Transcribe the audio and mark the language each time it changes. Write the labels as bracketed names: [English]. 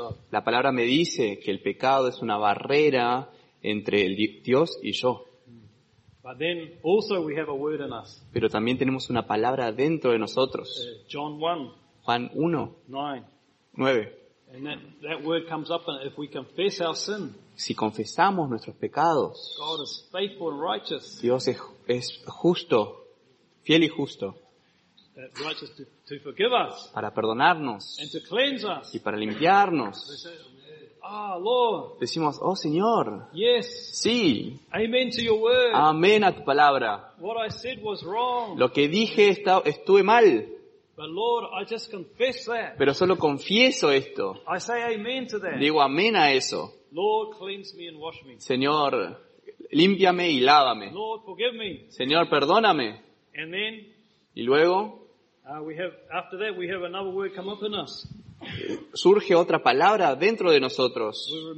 [Spanish] La palabra me dice que el pecado es una barrera entre Dios y yo. [English] But then also we have a word in us. [Spanish] Pero también tenemos una palabra dentro de nosotros. [English] John 1. [Spanish] Juan 1. [English] 9. And that word comes up if we confess our sin. [Spanish] Si confesamos nuestros pecados. [English] God is faithful and righteous. [Spanish] Dios es justo, fiel y justo. [English] Righteous to forgive us. [Spanish] Para perdonarnos. [English] And to cleanse us. [Spanish] Y para limpiarnos. [English] Ah, Lord. [Spanish] Decimos, oh Señor. [English] Yes. [Spanish] Sí. [English] Amen to your word. [Spanish] Amén a tu palabra. [English] What I said was wrong. [Spanish] Lo que dije estuve mal. [English] But Lord, I just confess that. [Spanish] Pero solo confieso esto. [English] I say amen to that. [Spanish] Digo amén a eso. [English] Lord, cleanse me and wash me. [Spanish] Señor, límpiame y lávame. [English] Lord, forgive me. [Spanish] Señor, perdóname. [English] And then, [Spanish] y luego, [English] after that we have another word come up in us. [Spanish] Surge otra palabra dentro de nosotros.